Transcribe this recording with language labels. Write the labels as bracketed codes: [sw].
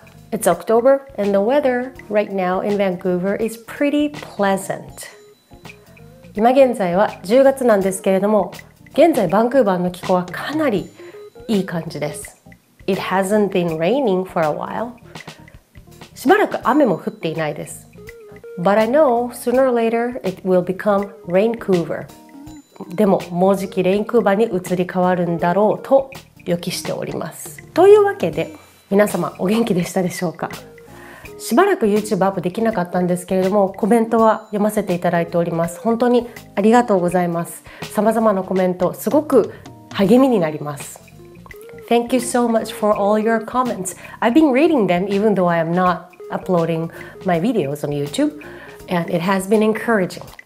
[en] It's October and the weather right now in Vancouver is pretty pleasant. [ja] 今現在は10月なんですけれども、現在バンクーバーの気候はかなりいい感じです。 [en] It hasn't been raining for a while. [ja] しばらく雨も降っていないです。 [en] But I know sooner or later it will become Raincouver. [ja] でももうじきレインクーバーに移り変わるんだろうと予期しております。というわけで皆様お元気でしたでしょうか。しばらく YouTube アップできなかったんですけれども、コメントは読ませていただいております。本当にありがとうございます。様々なコメントすごく励みになります。 [en] Thank you so much for all your comments. I've been reading them even though I am not uploading my videos on YouTube and it has been encouraging.